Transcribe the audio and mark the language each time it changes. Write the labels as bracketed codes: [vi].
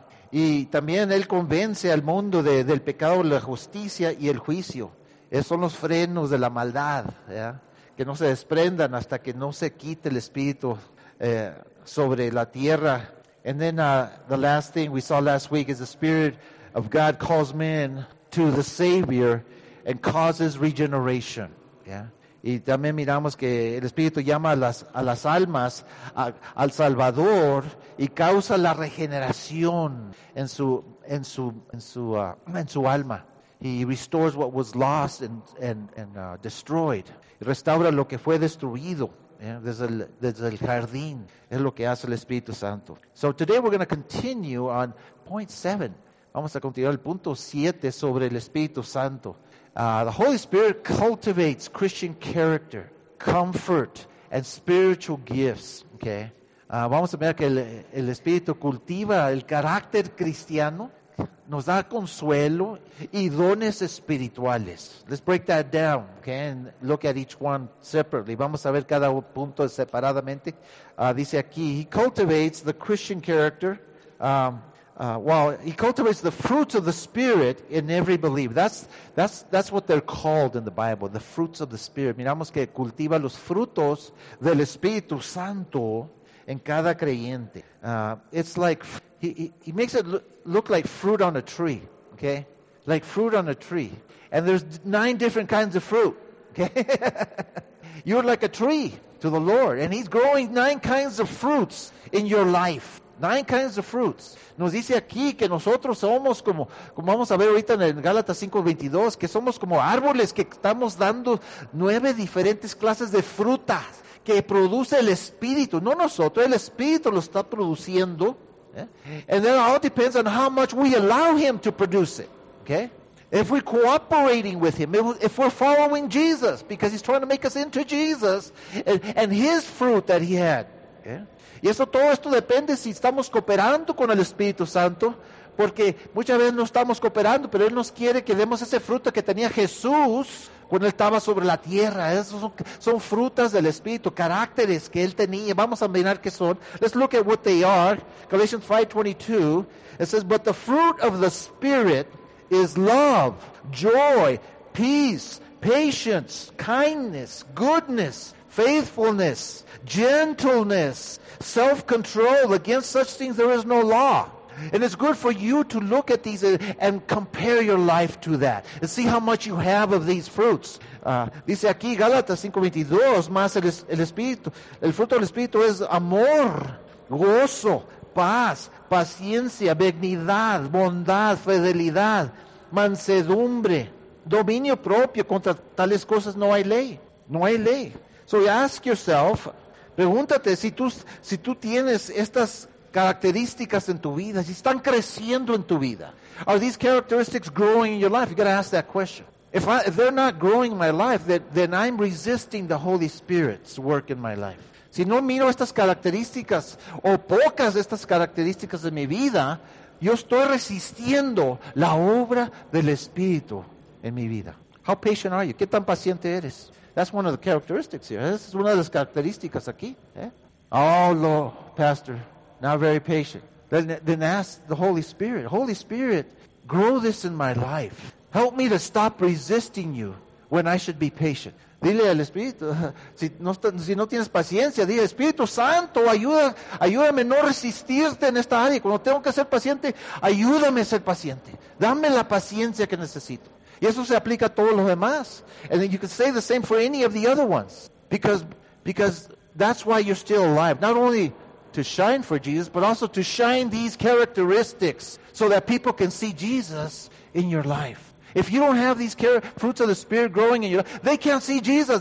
[es] y también él convence al mundo del pecado, la justicia y el juicio. Esos son los frenos de la maldad, yeah? Que no se desprendan hasta que no se quite el Espíritu sobre la tierra. [en] And then the last thing we saw last week is the Spirit of God calls men to the Savior and causes regeneration, yeah? [es] Y también miramos que el Espíritu llama a las almas al Salvador y causa la regeneración en su alma. [en] He restores what was lost and destroyed. [es] Y restaura lo que fue destruido, yeah, desde el jardín. Es lo que hace el Espíritu Santo. [en] So today we're going to continue on point 7. [es] Vamos a continuar el punto 7 sobre el Espíritu Santo. [en] The Holy Spirit cultivates Christian character, comfort, and spiritual gifts. [es] Okay, vamos a ver que el Espíritu cultiva el carácter cristiano, nos da consuelo y dones espirituales. [en] Let's break that down, okay, and look at each one separately. [es] Vamos a ver cada punto separadamente. Dice aquí, [en] he cultivates the Christian character. He cultivates the fruits of the Spirit in every believer. That's what they're called in the Bible, the fruits of the Spirit. [es] Miramos que cultiva los frutos del Espíritu Santo en cada creyente. [en] It's like, he makes it look like fruit on a tree, okay? Like fruit on a tree. And there's 9 different kinds of fruit, okay? You're like a tree to the Lord, and he's growing 9 kinds of fruits in your life. 9 kinds of fruits. [es] Nos dice aquí que nosotros somos como vamos a ver ahorita en Gálatas 5:22, que somos como árboles que estamos dando 9 diferentes clases de frutas que produce el Espíritu. No nosotros, el Espíritu lo está produciendo. ¿Eh? [en] And then it all depends on how much we allow him to produce it. Okay? If we're cooperating with him, if we're following Jesus, because he's trying to make us into Jesus and his fruit that he had. Okay? [es] Y eso, todo esto depende si estamos cooperando con el Espíritu Santo, porque muchas veces no estamos cooperando, pero Él nos quiere que demos ese fruto que tenía Jesús cuando Él estaba sobre la tierra. Esos son frutas del Espíritu, caracteres que Él tenía. Vamos a mirar qué son. [en] Let's look at what they are. Galatians 5:22, it says, but the fruit of the Spirit is love, joy, peace, patience, kindness, goodness, faithfulness, gentleness, self-control. Against such things there is no law. And it's good for you to look at these and compare your life to that and see how much you have of these fruits. [es] Dice aquí Gálatas 5:22, más el espíritu, el fruto del Espíritu es amor, gozo, paz, paciencia, benignidad, bondad, fidelidad, mansedumbre, dominio propio. Contra tales cosas no hay ley. No hay ley. [en] So you ask yourself, [es] pregúntate si tú tienes estas características en tu vida, si están creciendo en tu vida. [en] Are these characteristics growing in your life? You got to ask that question. If they're not growing in my life, then I'm resisting the Holy Spirit's work in my life. [es] Si no miro estas características o pocas de estas características de mi vida, yo estoy resistiendo la obra del Espíritu en mi vida. [en] How patient are you? [es] ¿Qué tan paciente eres? [en] That's one of the characteristics here. [es] Esa es una de las características aquí. [en] Oh, Lord, Pastor, not very patient. Then ask the Holy Spirit. Holy Spirit, grow this in my life. Help me to stop resisting you when I should be patient. [es] Dile al Espíritu, si no tienes paciencia, dile, Espíritu Santo, ayúdame a no resistirte en esta área. Cuando tengo que ser paciente, ayúdame a ser paciente. Dame la paciencia que necesito. Y eso se aplica a todos los demás. [en] And you can say the same for any of the other ones. Because that's why you're still alive. Not only to shine for Jesus, but also to shine these characteristics so that people can see Jesus in your life. If you don't have these fruits of the Spirit growing in you, they can't see Jesus.